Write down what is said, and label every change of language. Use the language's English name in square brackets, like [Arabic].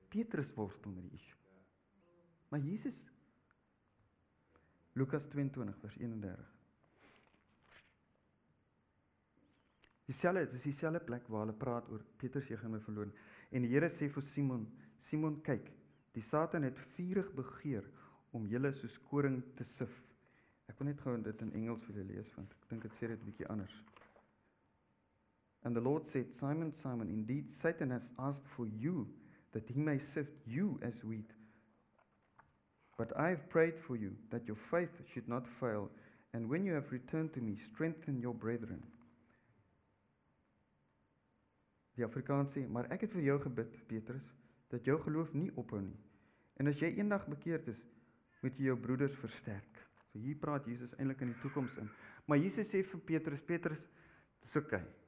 [Afrikaans] Petrus worstel met die issue. Maar Jesus, Lukas 22 vers 31, Dis dieselfde plek waar hulle praat oor Petrus, jy gaan my verloon. En die Here sê vir Simon, kyk, die Satan het vurig begeer om julle soos koring te sif. Ek wil net gou dit in Engels vir julle lees, want ek dink dit sê dit bietjie anders. [English] And the Lord said, Simon, Simon, indeed Satan has asked for you that he may sift you as wheat. But I have prayed for you that your faith should not fail, and when you have returned to me, strengthen your brethren. [Afrikaans] Die Afrikaans sê, maar ek het vir jou gebid, Petrus, dat jou geloof nie ophou nie. En as jy eendag bekeerd is, moet jy jou broeders versterk. So hier praat Jesus eindelijk in die toekomst in. Maar Jesus sê vir Petrus, Petrus, dis okay.